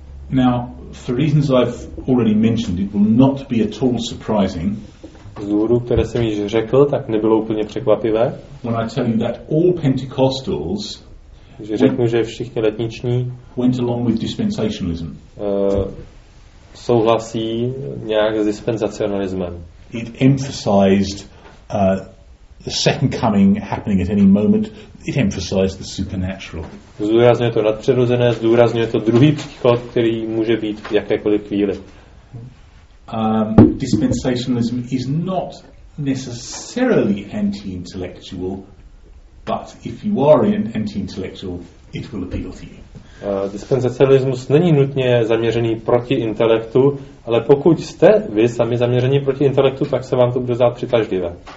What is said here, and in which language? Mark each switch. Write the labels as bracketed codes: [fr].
[en] Now, for reasons I've already mentioned, it will not be at all surprising. [cs] Z důvodu, které jsem již řekl, tak nebylo úplně překvapivé. [en] When I tell you that all Pentecostals, [cs] že řeknu, že všichni letniční, [en] went along with dispensationalism. [cs] Souhlasí nějak s dispensacionalismem. [en] It emphasized the second coming happening at any moment. It emphasized the supernatural. [cs] Zdůrazňuje to nadpřirozené, zdůrazňuje to druhý příchod, který může být v jakékoliv chvíli. [en] Dispensationalism is not necessarily anti-intellectual, but if you are an anti-intellectual, it will appeal to you. [cs] Dispensacionalismus není nutně zaměřený proti intelektu, ale pokud jste vy sami zaměření proti intelektu, tak se vám to bude zdát přitažlivé.